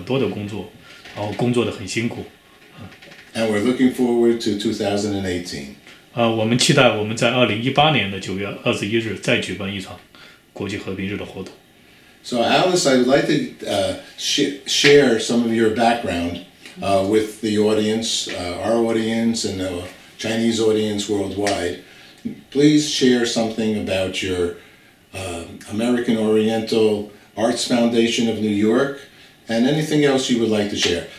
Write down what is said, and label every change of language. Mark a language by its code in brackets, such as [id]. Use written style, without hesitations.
[zh] 她为这个每年9月21号举办的国际和平日做了很多的工作，然后工作得很辛苦。 [en] And we're looking forward to 2018. [zh] 我们期待我们在2018年的9月21日再举办一场国际和平日的活动。 [en] So Alice, I'd like to share some of your background with the audience, our audience and the Chinese audience worldwide. Please share something about your American Oriental Arts Foundation of New York and anything else you would like to share.